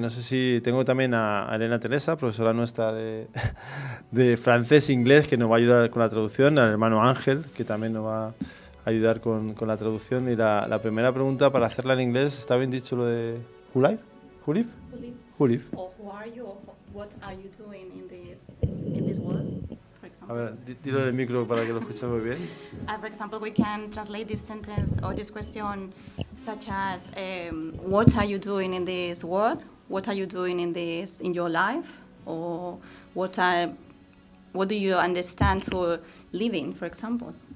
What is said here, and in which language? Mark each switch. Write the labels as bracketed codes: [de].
[es] No sé si tengo también a Elena Teresa, profesora nuestra de francés e inglés, que nos va a ayudar con la traducción, al hermano Ángel, que también nos va a ayudar con la traducción. Y la primera pregunta para hacerla en inglés, ¿está bien dicho lo de [en] who live? Who live? Who live. Or who are you? Or what are you doing in this world? [es] A ver, dilo en el micro para que lo escuchemos muy bien. [en] For example, we can translate this sentence or this question such as what are you doing in this world? What are you doing in your life? Or what do you understand for living, for example?